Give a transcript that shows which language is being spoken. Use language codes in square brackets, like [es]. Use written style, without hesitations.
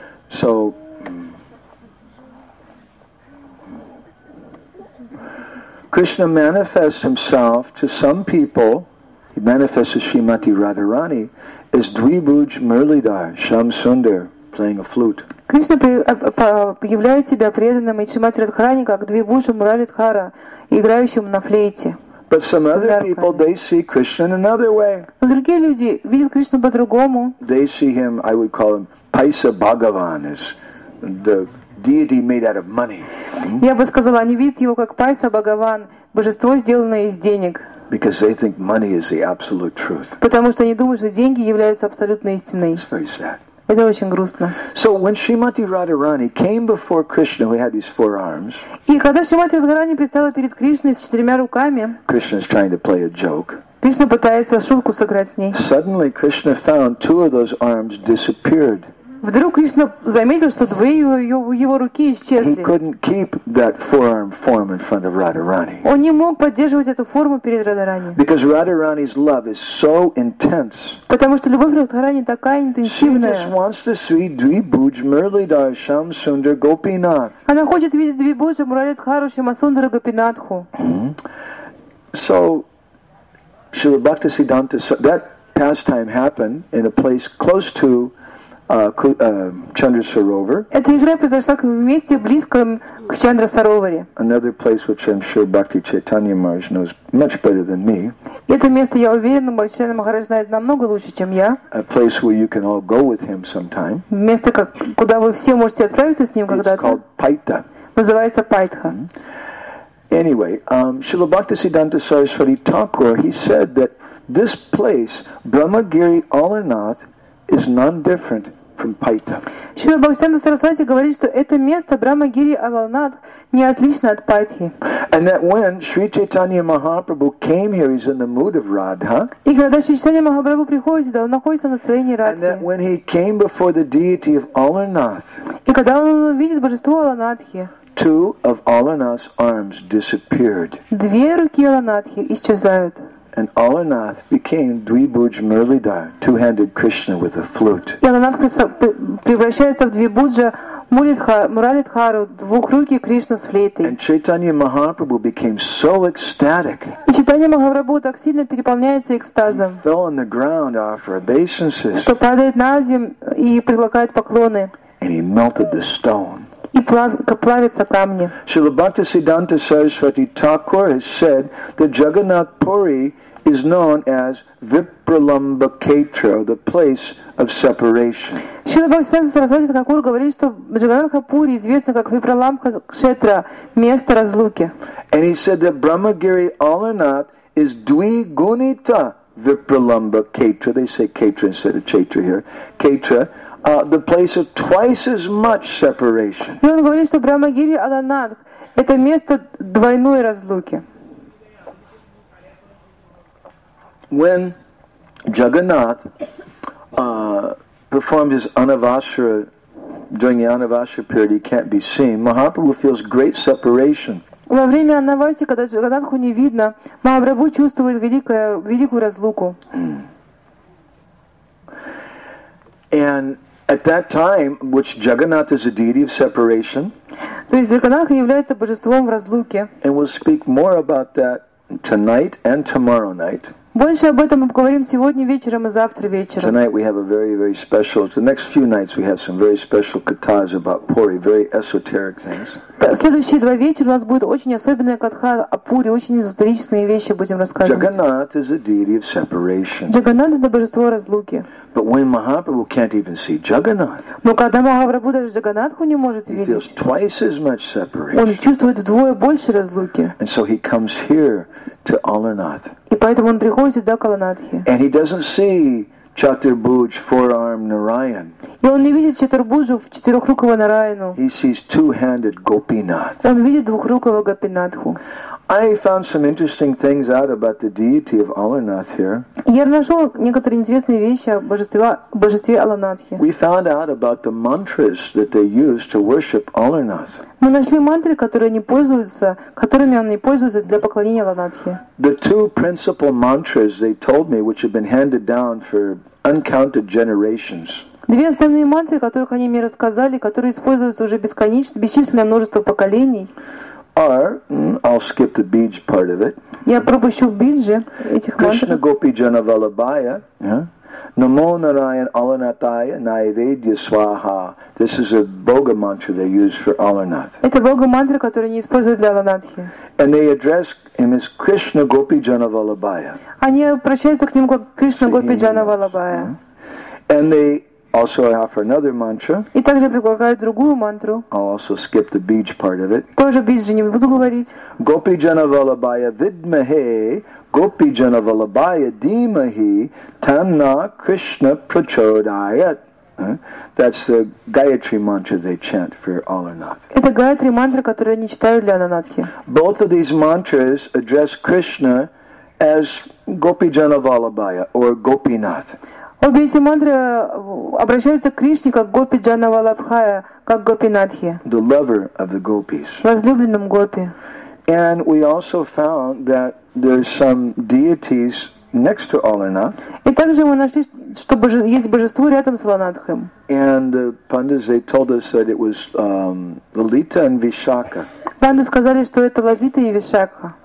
[en] So, Krishna manifests himself to some people, he manifests as Shrimati Radharani, as Dvibhuj Murlidhar, Shyam Sundar, playing a flute. [ru] Кришна являет себя преданным и Шримати Радхарани как Двибуджа Муралидхара, играющим на флейте. [en] But some other people, they see Krishna in another way. [ru] Но другие люди видят Кришну по-другому. [en] They see him, I would call him Paisa Bhagavan, as the deity made out of money. [ru] Я бы сказала, они видят его как Paisa Bhagavan, божество, сделанное из денег. [en] Because they think money is the absolute truth. [ru] Потому что они думают, что деньги являются абсолютной истиной. [en] It's very sad. [ru] Это очень грустно. [en] So when Shrimati Radharani came before Krishna, who had these four arms, [ru] и когда Шримати Радхарани предстала перед Кришной с четырьмя руками, [en] Krishna is trying to play a joke. [ru] Кришна пытается шутку сыграть с ней. [en] Suddenly Krishna found two of those arms disappeared. [ru] Вдруг Кришна заметил, что две его руки исчезли. [en] He couldn't keep that forearm form in front of Radharani. [ru] Он не мог поддерживать эту форму перед Радхарани. [en] Because Radharani's love is so intense. [ru] Потому что любовь Радхарани такая интенсивная. [en] She just wants to see Dvibhuj Muralidhar Shyam Sundar Gopinath. [ru] Она хочет видеть Dvibhuja Muralidhara Shyam Sundar Gopinathu. [en] So, Srila Bhaktisiddhanta, that pastime happened in a place close to Chandra Sarovar. [ru] Эта игра произошла в месте близком к Чандра Сароваре. [en] Another place which I'm sure Bhakti Chaitanya Maharaj knows much better than me. [ru] Это место, я уверен, Бхакти Чайтанья Махарадж знает намного лучше, чем я. [en] A place where you can all go with him sometime. [ru] Место, куда вы все можете отправиться с ним когда-то. [en] It's called Paita. [ru] Называется Пайтха. [en] Anyway, Srila Bhaktisiddhanta Saraswati Thakur, he said that this place, Brahmagiri Alarnath, is none different from Paita. [ru] Шрила Бхактисиддханта Сарасвати говорит, что это место Брахмагири Аланат не отлично от Пайтхи. [en] And that when Sri Chaitanya Mahaprabhu came here, he's in the mood of Radha. [ru] И когда Шри Чайтанья Махапрабху приходит сюда, он находится в настроении Радхи. [en] And that when he came before the deity of Alarnath. [ru] И когда он видит божество Аланатхи. [en] Two of Alarnath's arms disappeared. [ru] Две руки Аланатхи исчезают. [en] And Alarnath became Dvibhuj Muralidhar, two-handed Krishna with a flute. [ru] И Аланатх превращается в Двибуджа Муралидхару, двухрукий Кришна с флейтой. [en] And Chaitanya Mahaprabhu became so ecstatic. [ru] И Чайтанья Махапрабху так сильно переполняется экстазом. [en] He fell on the ground offer obeisances. [ru] Что падает на землю и предлагает поклоны. [en] And he melted the stone. [ru] И плавится камни. [en] Srila Bhaktisiddhanta Saraswati Thakur has said that Jagannath Puri is known as Vipralambaketra, the place of separation. [ru] Srila Bhaktisiddhanta Saraswati Thakur говорит, что Jagannath Puri известно как Vipralambaketra, место разлуки. [en] And he said that Brahmagiri Alarnath is Dwi Gunita Vipralamba Ketra. They say Ketra instead of Chaitra here. Ketra. The place of twice as much separation. [ru] И он говорит, что Брахмагири Аланадх – это место двойной разлуки. [en] When Jagannath performed his Anavasara during the Anavasara period, he can't be seen. Mahaprabhu feels great separation. [ru] Во время Анавасы, когда Джаганнатху не видно, Махапрабху чувствует великую разлуку. [en] And at that time, which Jagannath is a deity of separation, [ru] то есть Джаганнатха является божеством в разлуке. [en] And we'll speak more about that tonight and tomorrow night. [ru] Больше об этом мы поговорим сегодня вечером и завтра вечером. [en] Tonight we have a very, very special. The next few nights we have some very special katas about Puri, very esoteric things. [ru] Следующие два вечера у нас будет очень особенная катха о Пури, очень эзотерические вещи будем рассказывать. [en] Jagannath is a deity of separation. [ru] Джаганнат — это божество разлуки. [en] But when Mahaprabhu can't even see Jagannath, [ru] но когда Махапрабху даже Джаганнатху не может видеть, [en] he feels twice as much separation. [ru] Он чувствует вдвое больше разлуки. [en] And so he comes here to Alarnath. [ru] И поэтому он приходит сюда, к Аланадхе. [en] And he doesn't see Chaturbhuj, four-armed Narayan. [ru] И он не видит Чатурбуджу, четырехрукого Нараяну. [en] He sees two-handed Gopinath. [ru] Он видит двухрукого Гопинатху. [en] I found some interesting things out about the deity of Alarnath here. [ru] Я нашел некоторые интересные вещи о божестве Аланадхи. [en] We found out about the mantras that they use to worship Alarnath. [ru] Мы нашли мантры, которыми они пользуются для поклонения Аланадхи. [en] The two principal mantras they told me, which have been handed down for uncounted generations. [ru] Две основные мантры, о которых они мне рассказали, которые используются уже бесчисленное множество поколений. [en] I'll skip the Bij part of it. [ru] Я пропущу Биджи этих мантр. [sa] Кришна Гопи Джанавалабая. Намо Нараян Аланатая Найведья Сваха. [en] This is a Boga mantra they use for Alarnath. [ru] Это Бога мантра, которую они используют для Аланадхи. [en] And they address him as [sa] Кришна Гопи Джанавалабая. [ru] Они обращаются к нему как [sa] Кришна Гопи Джанавалабая. [en] And they also I offer another mantra. [ru] И также предлагаю другую мантру. [en] I'll also skip the Bij part of it. [ru] Тоже Биджи не буду говорить. [sa] Гопи Джанавалабая Видмахе. Gopi Janavalabhaya Dhimahi Tamna Krishna Prachodayat. [en] That's the Gayatri mantra they chant for Alarnath. [ru] Это Гаятри мантра, которую они читают для Аланадхи. [en] Both of these mantras address Krishna as Gopi Janavalabhaya or Gopinath. [ru] Обе эти мантры обращаются к Кришне как Гопи Джанавалабхая, как Гопинатхи. [en] The lover of the gopis. [ru] Возлюбленным Гопи. [en] And we also found that there's some deities next to Alarnath. [ru] И также мы нашли, что есть божество рядом с Аланадхом. [en] And the pandas they told us that it was Lalita and Vishakha. [ru] Панды сказали, что это Лалита и Вишакха.